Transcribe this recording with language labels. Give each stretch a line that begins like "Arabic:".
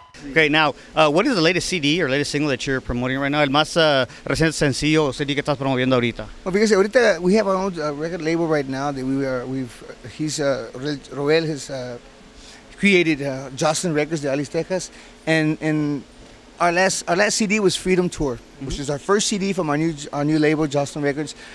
English: Okay, now, what is the latest CD or latest single that you're promoting right now?
Spanish: El más reciente sencillo o CD que estás promoviendo ahorita.
English: Well, because ahorita we have our own record label right now that Roel has created Jocelyn Records de Alice, Texas, and our last CD was Freedom Tour, mm-hmm. which is our first CD from our new label, Jocelyn Records.